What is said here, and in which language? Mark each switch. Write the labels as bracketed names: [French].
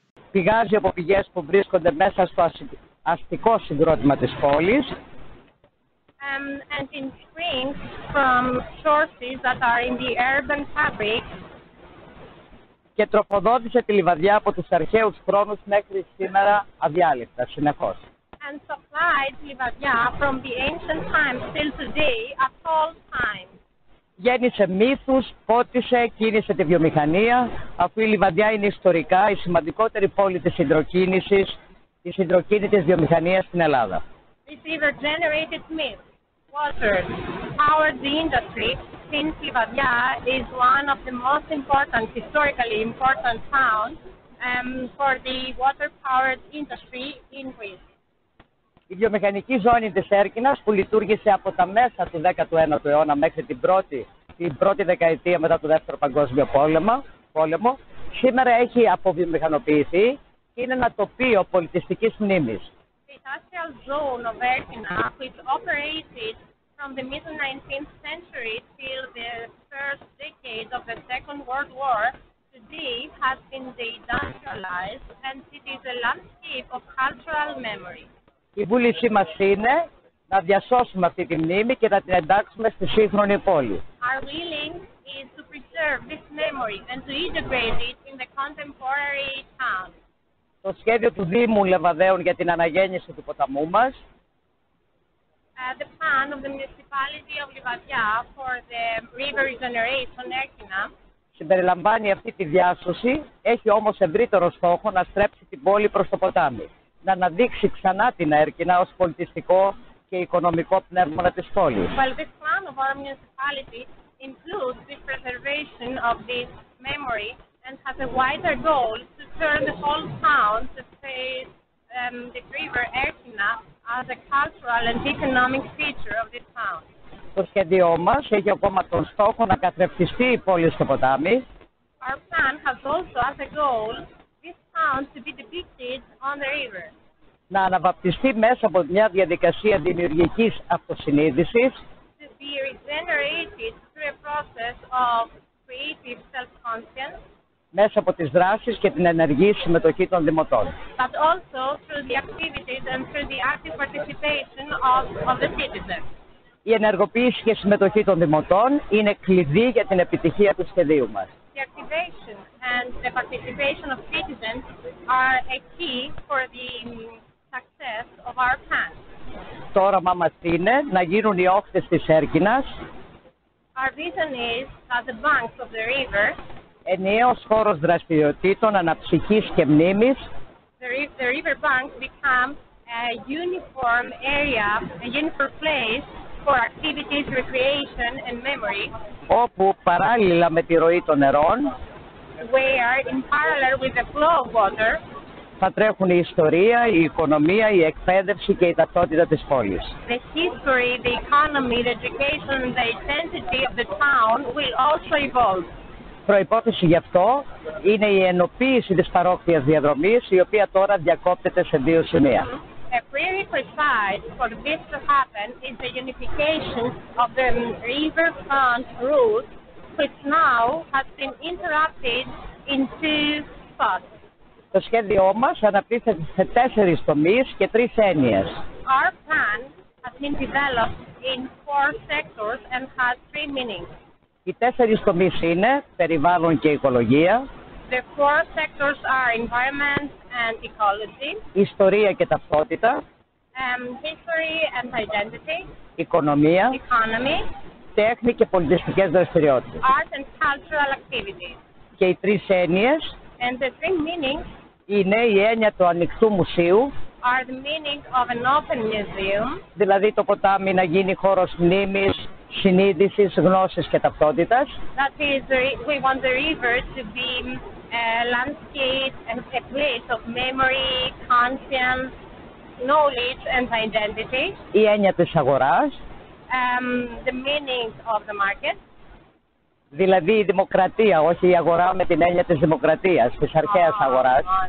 [Greek] Πηγάζει από πηγές που βρίσκονται μέσα στο αστικό συγκρότημα της πόλης. [English] And in streams from sources that are in the urban fabric. [Greek] Και τροφοδότησε τη Λιβαδιά από τους αρχαίους χρόνους μέχρι σήμερα αδιάλειπτα, συνεχώς. [English] And supplied Λιβαδιά from the ancient times till today at all times. [Greek] Γέννησε μύθους, πότισε, κίνησε τη βιομηχανία, αφού η Λιβαδιά είναι ιστορικά η σημαντικότερη πόλη της συντροκίνησης, της συντροκίνητης βιομηχανίας στην Ελλάδα. [English] This river generated myth, water, powered the industry, since Λιβαδιά is one of the most important, historically important towns for the water-powered industry in Greece. [Greek] Η βιομηχανική ζώνη της Έρκυνας που λειτουργήσε από τα μέσα του 19ου αιώνα μέχρι την πρώτη δεκαετία μετά το Δεύτερο Παγκόσμιο Πόλεμο, σήμερα έχει αποβιομηχανοποιηθεί και είναι ένα τοπίο πολιτιστικής μνήμης. [English] The industrial zone of Έρκυνα, which operated from the mid-19th century till the first decade of the Second World War, today has been deindustrialized and it is a landscape of cultural memory. [Greek] Η βούλησή μας είναι να διασώσουμε αυτή τη μνήμη και να την εντάξουμε στη σύγχρονη πόλη. [English] Our willing is to preserve this memory and to integrate it in the contemporary town. [Greek] Το σχέδιο του Δήμου Λεβαδαίων για την αναγέννηση του ποταμού μας. [English] The plan of the Municipality of Levadia for the river regeneration Erkina. [Greek] Συμπεριλαμβάνει αυτή τη διάσωση, έχει όμως ευρύτερο στόχο να στρέψει την πόλη προς το ποτάμι. Να αναδείξει ξανά την Έρκυνα ως πολιτιστικό και οικονομικό πνεύμα της πόλης. [English] Well, this plan of our municipality includes the preservation of the memory and has a wider goal to turn the whole town to face the river Erkina as a cultural and economic feature of this town. [Greek] Το σχέδιό μας έχει ακόμα τον στόχο να καθρεφτιστεί η πόλη στο ποτάμι. [English] Our plan has also as a goal this town to be depicted on the river. [Greek] Να αναβαπτιστεί μέσα από μια διαδικασία δημιουργικής αυτοσυνείδησης. [English] To be regenerated through a process of creative self-conscience. [Greek] Μέσα από τις δράσεις και την ενεργή συμμετοχή των δημοτών. [English] But also through the activities and through the active participation of the citizens. [Greek] Η ενεργοποίηση και συμμετοχή των δημοτών είναι κλειδί για την επιτυχία του σχεδίου μας. [English] The activation and the participation of citizens are a key for the success of our plan. [Greek] Το όραμά μας είναι να γίνουν οι όχθες της Έρκινας. [English] Our vision is that the banks of the river. [Greek] Ενιαίος χώρος δραστηριοτήτων, αναψυχής και μνήμης. [English] The river banks become a uniform area, a uniform place for activities, recreation and memory. [Greek] Όπου παράλληλα με τη ροή των νερών. [English] Where in parallel with the flow of water. [Greek] Θα τρέχουν η ιστορία, η οικονομία, η εκπαίδευση και η ταυτότητα της πόλης. [English] The history, the economy, the education, the identity of the town will also evolve. [Greek] Προϋπόθεση γι' αυτό είναι η ενοποίηση της παρόκτιας διαδρομής, η οποία τώρα διακόπτεται σε δύο σημεία. [English] A prerequisite for this to happen is the unification of the riverfront route, which now has been interrupted in two spots. [Greek] Το σχέδιό μας αναπτύσσεται σε τέσσερις τομείς και τρεις έννοιες. [English] Our plan has been developed in four sectors and has three meanings. [Greek] Οι τέσσερις τομείς είναι περιβάλλον και οικολογία. [English] The four sectors are environment and ecology. [Greek] Ιστορία και ταυτότητα. [English] History and identity. [Greek] Οικονομία. [English] Economy. [Greek] Τέχνη και πολιτιστικές δραστηριότητες. [English] Art and cultural activities. [Greek] Και οι τρεις έννοιες. [English] And the three meanings. [Greek] Είναι η έννοια του ανοιχτού μουσείου. [English] Are the meaning of an open museum. [Greek] Δηλαδή το ποτάμι να γίνει χώρος μνήμης, συνείδησης, γνώσης και ταυτότητας. [English] That is, we want the river to be a landscape and a place of memory, conscience, knowledge and identity. [Greek] Η έννοια της αγοράς. [English] The meaning of the market. [Greek] Δηλαδή η δημοκρατία, όχι η αγορά με την έννοια της δημοκρατίας, της αρχαίας αγοράς.